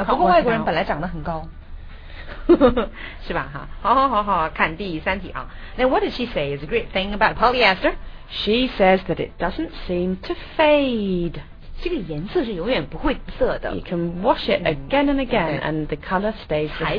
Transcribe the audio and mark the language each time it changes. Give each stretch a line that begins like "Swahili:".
Chinese: 不过外国人本来长得很高，是吧？哈，好好好好，看第三题啊。
English: Now, what did she say is a great thing about polyester? She says that it doesn't seem to fade.
Chinese: 这个颜色是永远不会色的。
English: You can wash it again and again, and the color stays the same.